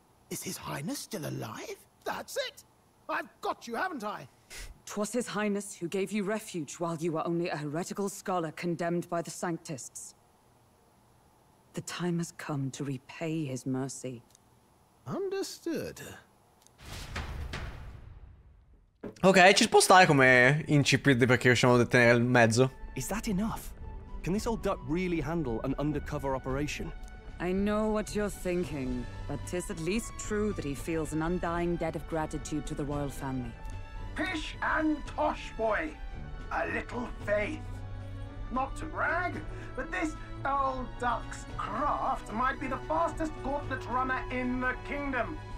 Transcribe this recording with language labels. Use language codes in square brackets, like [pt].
[en] Is His Highness still alive? That's it! I've got you, haven't I? 'Twas His Highness who gave you refuge while you were only a heretical scholar condemned by the Sanctists. The time has come to repay his mercy. Understood. [it] Ok, ci può stare come incipit perché riusciamo a tenere il mezzo. [en] Is that enough? Can this old duck really handle an undercover operation? I know what you're thinking, but 'tis at least true that he feels an undying debt of gratitude to the royal family. Pish and tosh, boy. A little faith. Not to brag, but this old duck's craft might be the fastest gauntlet runner in the kingdom.